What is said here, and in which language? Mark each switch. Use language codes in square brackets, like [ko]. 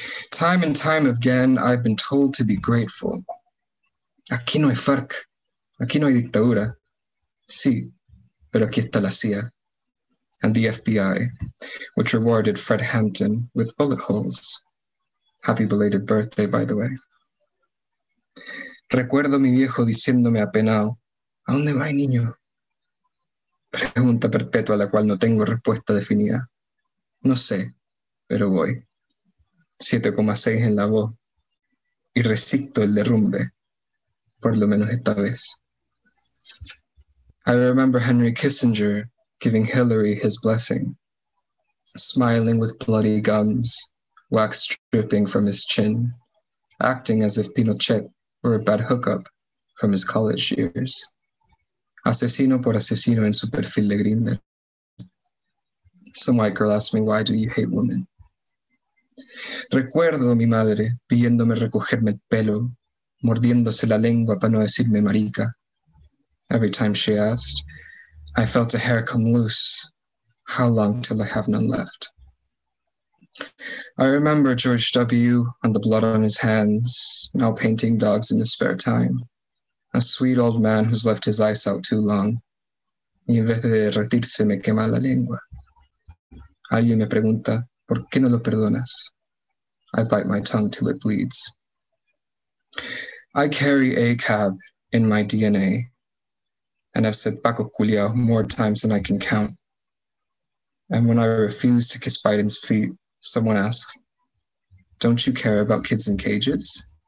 [en] Time and time again, I've been told to be grateful. [es] Aquí no hay FARC. Aquí no hay dictadura. Sí, pero aquí está la CIA. [en] And the FBI, which rewarded Fred Hampton with bullet holes. Happy belated birthday, by the way. [es] Recuerdo mi viejo diciéndome apenado, ¿a dónde va, niño? Pregunta perpetua a la cual no tengo respuesta definida. No sé, pero voy. 7,6 en la voz. Y resisto el derrumbe. Por lo menos esta vez. [en] I remember Henry Kissinger giving Hillary his blessing, smiling with bloody gums, wax dripping from his chin, acting as if Pinochet were a bad hookup from his college years. [es] Asesino por asesino en su perfil de Grindr. [en] Some white girl asked me, why do you hate women? [es] Recuerdo a mi madre pidiéndome recogerme el pelo, mordiéndose la lengua para no decirme marica. [en] Every time she asked, I felt a hair come loose. How long till I have none left? I remember George W. and the blood on his hands, now painting dogs in his spare time. A sweet old man who's left his eyes out too long. [es] Y en vez de derretirse, me quema la lengua. Alguien me pregunta, ¿por qué no lo perdonas? [en] I bite my tongue till it bleeds. I carry ACAB in my DNA, and I've said Paco Culiao more times than I can count. And when I refuse to kiss Biden's feet, someone asks, don't you care about kids in cages?